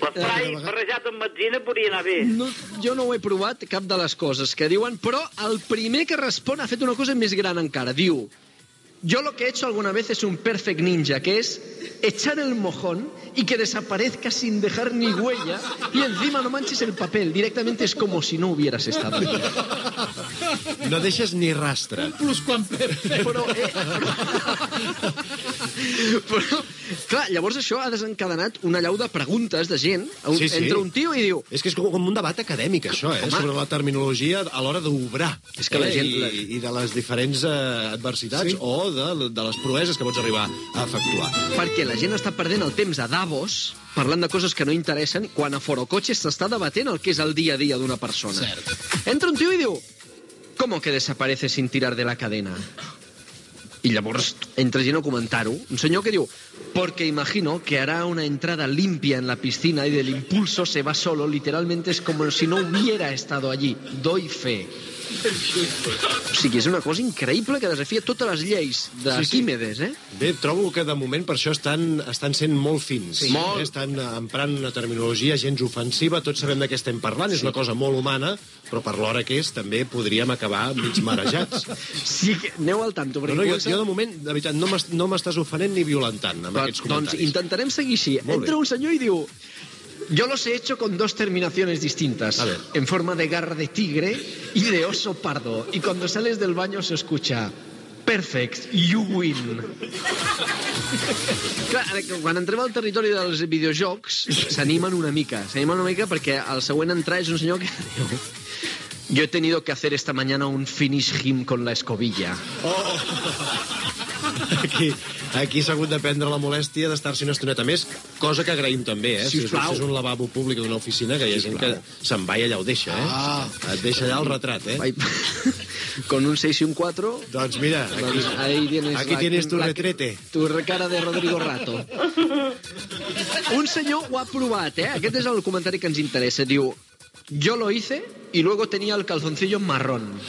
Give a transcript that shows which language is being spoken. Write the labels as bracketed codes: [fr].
[ca] Barrejat amb benzina podria anar bé. No, jo no ho he provat, cap de les coses que diuen, però el primer que respon ha fet una cosa més gran encara. [es] Diu, yo lo que he hecho alguna vez es un perfect ninja, que es echar el mojón y que desaparezca sin dejar ni huella y encima no manches el papel. Directamente es como si no hubieras estado. [ca] No deixes ni rastre. Un pluscuamperfecte. Però, clar, llavors això ha desencadenat una llau de preguntes de gent entre un tio i diu... És que és com un debat acadèmic, això, sobre la terminologia a l'hora d'obrar. És que la gent... I de les diferents adversitats o de les proeses que pots arribar a efectuar. Perquè la gent està perdent el temps a Davos parlant de coses que no interessen quan a Forocoche s'està debatent el que és el dia a dia d'una persona. Cert. Entra un tio i diu... [es] ¿Cómo que desaparece sin tirar de la cadena? Y [ca] llavors entra lleno comentar-ho. Un senyor que diu... [es] Porque imagino que hará una entrada limpia en la piscina y del impulso se va solo. Literalmente es como si no hubiera estado allí. Doy fe. [ca] O sigui, és una cosa increïble que desafia totes les lleis d'Arquímedes, sí, sí. Bé, trobo que de moment per això estan sent molt fins. Sí. Molt. Estan emprant una terminologia gens ofensiva, tots sabem de què estem parlant, és una cosa molt humana, però per l'hora que és també podríem acabar mig marejats. Sí, aneu al tanto. No, jo de moment, de veritat, no m'estàs ofenent ni violentant amb aquests comentaris. Doncs intentarem seguir així. Entra un senyor i diu... [es] Yo los he hecho con dos terminaciones distintas, en forma de garra de tigre y de oso pardo. Y cuando sales del baño se escucha, perfect, [en] you win. [ca] Clar, quan entrem al territori dels videojocs, s'animen una mica, perquè el següent entrar és un senyor que diu, [es] yo he tenido que hacer esta mañana un finish him con la escobilla. Oh. [ca] Aquí s'ha hagut de prendre la molèstia d'estar-s'hi una estoneta més, cosa que agraïm també, Si és un lavabo públic d'una oficina, que hi ha gent que se'n va i allà ho deixa, Et deixa allà el retrat, [es] Con un 6 y un 4... [ca] Doncs mira, [es] aquí tienes tu retrete. Tu recara de Rodrigo Rato. [ca] Un senyor ho ha provat, Aquest és el comentari que ens interessa. [es] Diu, yo lo hice y luego tenía el calzoncillo marrón.